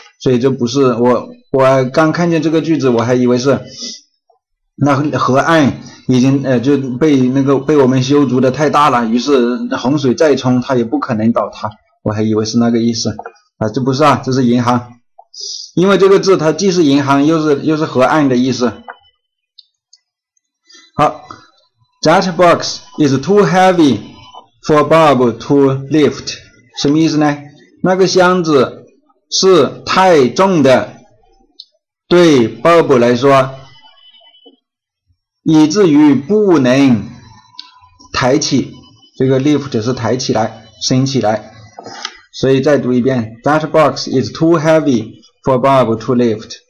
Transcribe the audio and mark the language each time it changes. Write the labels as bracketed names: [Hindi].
[Chinese] 所以这不是我刚看见这个句子，我还以为是那河岸已经就被我们修筑的太大了，于是洪水再冲它也不可能倒塌。我还以为是那个意思啊，这不是啊，这是银行，因为这个字它既是银行又是河岸的意思。好。 [English] That box is too heavy for Bob to lift. [Chinese] 什么意思呢？那个箱子是太重的，对 Bob 来说，以至于不能抬起。这个 lift 是抬起来，升起来。所以再读一遍 ， [English] That box is too heavy for Bob to lift.